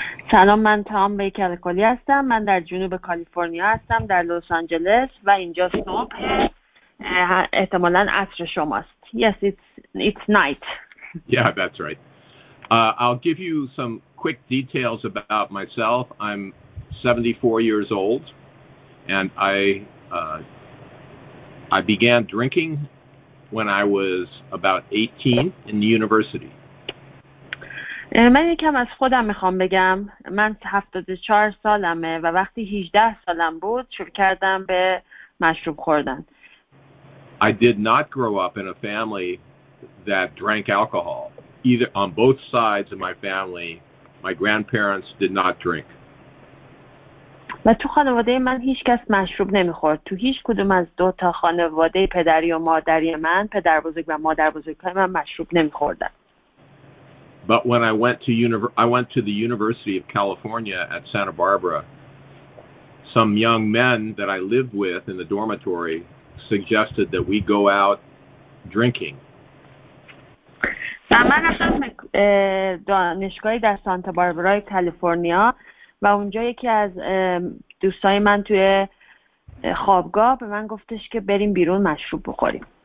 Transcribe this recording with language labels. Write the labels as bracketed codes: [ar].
[fa] سلام، من تام بیکر کلی هستم. من در جنوب کالیفرنیا هستم، در لس آنجلس، و اینجا صبح احتمالاً عصر شماست. [en] Yes, it's night. Yeah, that's right. I'll give you some quick details about myself. I'm 74 years old and I began drinking when I was about 18 in the university. [fa] من یکم از خودم میخوام بگم. من 74 سالمه و وقتی 18 سالم بود شروع کردم به مشروب خوردن. [en] I did not grow up in a family that drank alcohol. Either on both sides of my family, my grandparents did not drink. [fa] و تو خانواده من هیچ کس مشروب نمیخورد. تو هیچ کدوم از دو تا خانواده پدری و مادری من، پدر بزرگ و مادر بزرگ من مشروب نمیخوردن. [en] But when I went to the University of California at Santa Barbara, some young men that I lived with in the dormitory suggested that we go out drinking. [fa] من رفتم دانشگاهی در سانتا باربرا کالیفرنیا و اونجا یکی از دوستای من توی خوابگاه به من گفتش که بریم بیرون مشروب بخوریم.